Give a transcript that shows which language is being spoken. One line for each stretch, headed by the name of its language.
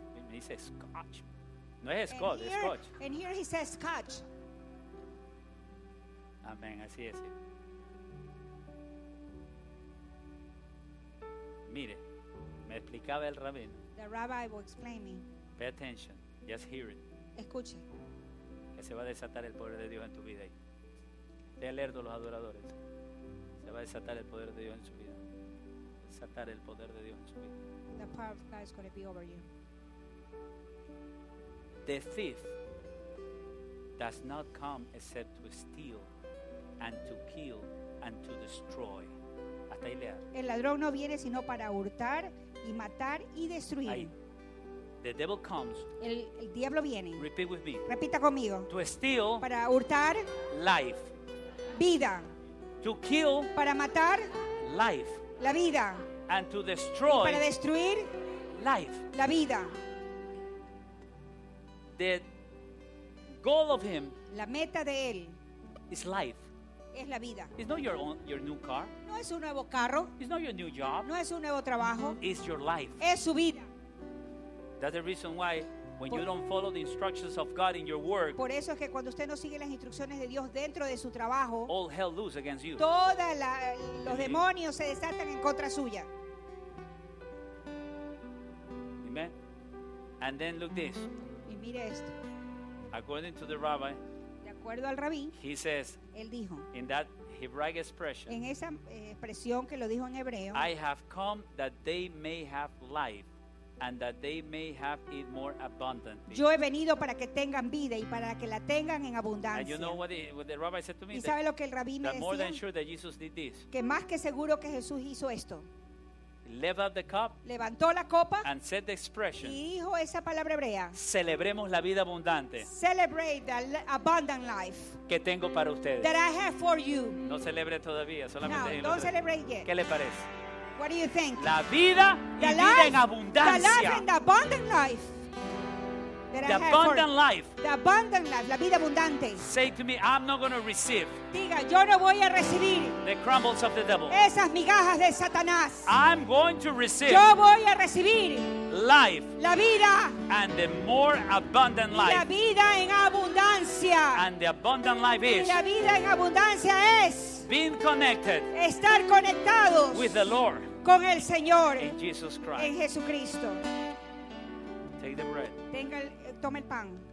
Spanish: Me dice scotch. No es scotch, es scotch.
English: And here he says scotch.
Spanish: Amén, así es. Mire, me explicaba el rabino.
English: The rabbi will explain me. Pay attention, just hear it.
Spanish: Escuche. Que se va a desatar el poder de Dios en tu vida. De alerta los adoradores. Se va a desatar el poder de Dios en su vida. Desatar el poder de Dios en su vida.
English: The power of God is going to be over you. The thief does not come except to steal and to kill and to destroy.
Spanish: Hasta ahí lea. El ladrón no viene sino para hurtar y matar y destruir.
English: Ahí. The devil comes.
Spanish: El diablo viene.
English: Repeat with me.
Spanish: Repita conmigo.
English: To steal.
Spanish: Para hurtar.
English: Life.
Spanish: Vida.
English: To kill.
Spanish: Para matar.
English: Life.
Spanish: La vida.
English: And to destroy.
Spanish: Y para destruir.
English: Life.
Spanish: La vida.
English: The goal of him.
Spanish: La meta de él.
English: Is life.
Spanish: Es la vida.
English: It's not your new car.
Spanish: No es un nuevo carro.
English: It's not your new job.
Spanish: No es un nuevo trabajo.
English: It's your life.
Spanish: Es su vida.
English: That's the reason why when you don't follow the instructions of God in your work.
Spanish: Por eso es que cuando usted no sigue las instrucciones de Dios dentro de su trabajo.
English: All hell loose against you.
Spanish: Todos los demonios se desatan en contra suya.
English: Amen. And then look this.
Spanish: Y mire esto.
English: According to the rabbi,
Spanish: de acuerdo al rabí,
English: he says,
Spanish: él dijo,
English: in that Hebraic expression,
Spanish: en esa expresión que lo dijo en hebreo,
English: I have come that they may have life and that they may have it more abundantly.
Spanish: Yo he venido para que tengan vida y para que la tengan en abundancia.
English: And you know what the rabbi said to me?
Spanish: ¿Y sabe lo que el rabí me decía?
English: That more than sure that Jesus did this.
Spanish: Que más que seguro que Jesús hizo esto.
English: Lift up the cup,
Spanish: levantó la copa,
English: and said the expression,
Spanish: y dijo esa palabra hebrea, celebremos la vida abundante,
English: celebrate the abundant life,
Spanish: que tengo para ustedes,
English: that I have for you.
Spanish: No celebre todavía, solamente
English: no, don't celebrate yet.
Spanish: ¿Qué le parece?
English: What do you think?
Spanish: La vida y
English: the
Spanish: vida
English: life,
Spanish: en abundancia,
English: the life and the abundant life, the abundant life, the abundant life,
Spanish: la vida abundante.
English: Say to me, I'm not going to receive,
Spanish: diga, yo no voy a recibir,
English: the crumbles of the devil,
Spanish: esas migajas de Satanás.
English: I'm going to receive,
Spanish: yo voy a recibir,
English: life,
Spanish: la vida,
English: and the more abundant life,
Spanish: la vida en abundancia.
English: And the abundant life is,
Spanish: y la vida en abundancia es,
English: being connected,
Spanish: estar conectados,
English: with the Lord,
Spanish: con el Señor,
English: in Jesus Christ,
Spanish: en Jesucristo.
English: Take the bread,
Spanish: toma el pan.